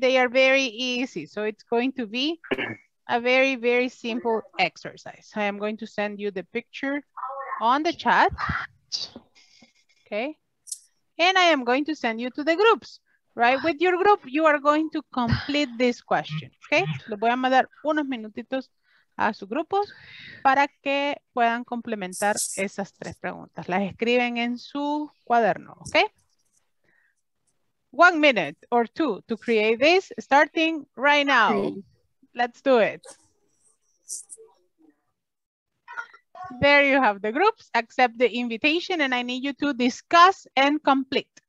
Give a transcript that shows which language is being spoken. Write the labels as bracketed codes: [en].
[en] They are very easy, so it's going to be a very, very simple exercise. I am going to send you the picture on the chat. Okay, and I am going to send you to the groups, right? With your group, you are going to complete this question, okay? [es] Le voy a mandar unos minutitos a sus grupos para que puedan complementar esas tres preguntas. Las escriben en su cuaderno, okay? [en] 1 minute or two to create this, starting right now. Let's do it. There you have the groups. Accept the invitation, and I need you to discuss and complete.